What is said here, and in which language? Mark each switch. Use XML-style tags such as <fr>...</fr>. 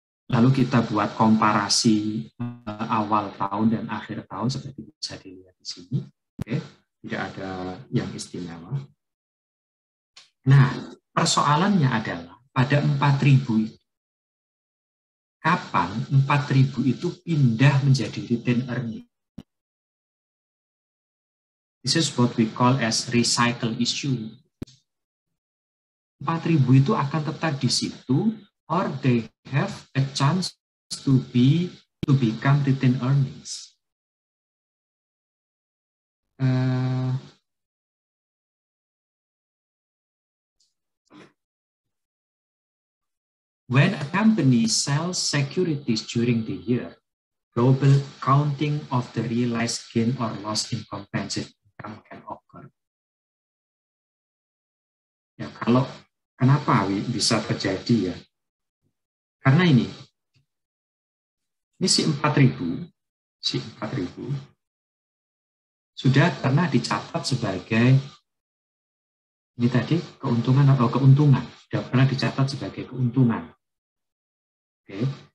<id>Lalu kita buat komparasi awal tahun dan akhir tahun seperti bisa dilihat di sini. Oke, tidak ada yang istimewa. Nah, persoalannya adalah pada 4,000 itu, kapan 4,000 itu pindah menjadi retained earning?</id> <en>This is what we call as recycle issue. 4,000</en> <id>itu akan tetap di situ,</id> <en>or they have a chance to become retained earnings. When a company sells securities during the year, global counting of the realized gain or loss in comprehensive income can occur.</en> <id>Ya, kalau kenapa bisa terjadi ya? Karena ini si 4,000 sudah pernah dicatat sebagai ini tadi keuntungan atau keuntungan sudah pernah dicatat sebagai keuntungan. Oke.</id>